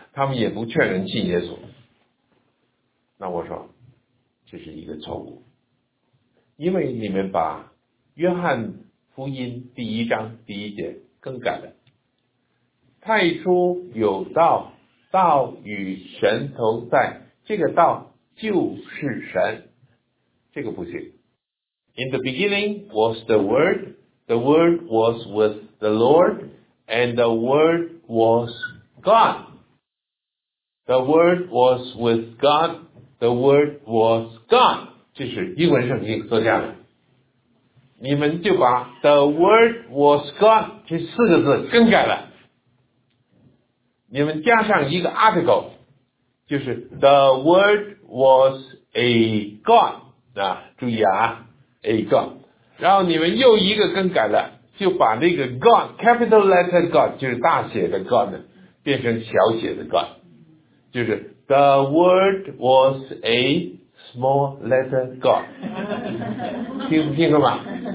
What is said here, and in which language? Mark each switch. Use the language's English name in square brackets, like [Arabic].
[Chinese] 他们也不劝人信耶稣。那我说，这是一个错误，因为你们把约翰福音第一章第一节更改了，太初有道，道与神同在，这个道就是神，这个不行。 [English] In the beginning was the word was with the Lord, and the word was God. The word was with God, the word was God. [Chinese] 这是英文圣经作家的，你们就把 [English] the word was God [Chinese] 这四个字更改了，你们加上一个 article， 就是 [English] the word was a God [Chinese] 啊，注意啊， a God， 然后你们又一个更改了，就把那个 God [English] capital letter God [Chinese] 就是大写的 God 呢，变成小写的 God， 就是 [English] the word was a small letter God， [Chinese] 听不清楚吗？